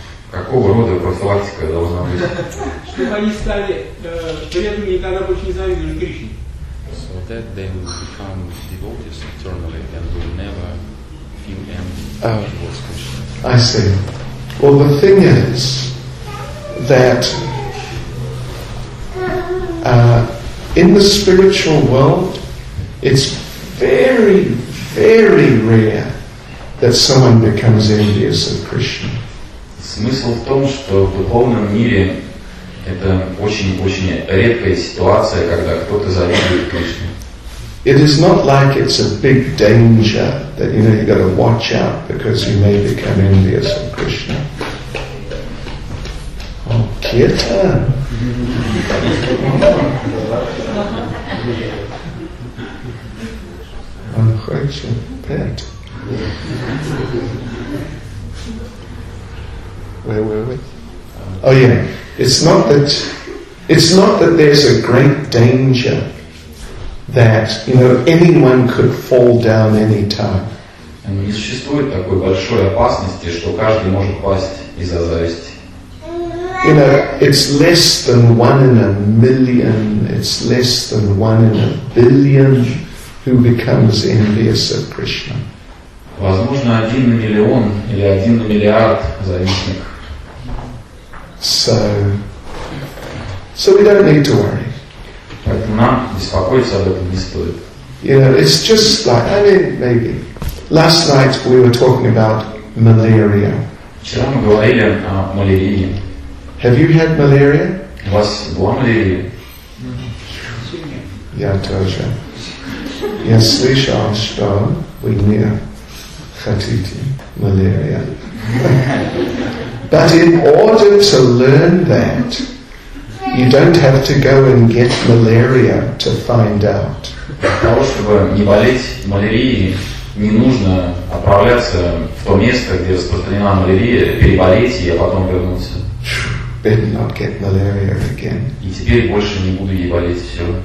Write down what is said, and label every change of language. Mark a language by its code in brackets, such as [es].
[ru] Какого рода профилактика должна быть? Чтобы они стали преданными и когда больше не завидовали Кришне. [en] So that they will become devotees eternally and will never feel empty. Oh, I see. Well, the thing is that in the spiritual world, it's very, very rare that someone becomes envious of Krishna. [ru] Смысл в том, что в духовном мире это очень-очень редкая ситуация, когда кто-то завидует Кришне. [en] It is not like it's a big danger that you know you got to watch out because you may become envious of Krishna. Oh, Kirtan. I'm quite a pet. Where were we? Oh yeah. It's not that there's a great danger that, you know, anyone could fall down any time. [ru] Не существует такой большой опасности, что каждый может пасть из-за зависти. [en] You know, it's less than one in a million, it's less than one in a billion who becomes envious of Krishna. [ru] Возможно, один на миллион или один на миллиард завистников. [en] So we don't need to worry. Поэтому нам беспокоиться об этом не стоит. You know, it's just like, I mean, maybe. Last night we were talking about malaria. [ru] Вчера мы говорили о малярии. [en] Have you had malaria? [ru] У вас была малярия? Я тоже. Я слышал, что вы не хотите малярия. [en] But in order to learn that, you don't have to go and get malaria to find out. [ru] Для того, чтобы не болеть малярией, не нужно отправляться в то место, где распространена малярия, переболеть и потом вернуться. [en] Better not get malaria again. [ru] И теперь больше не буду ей болеть, все.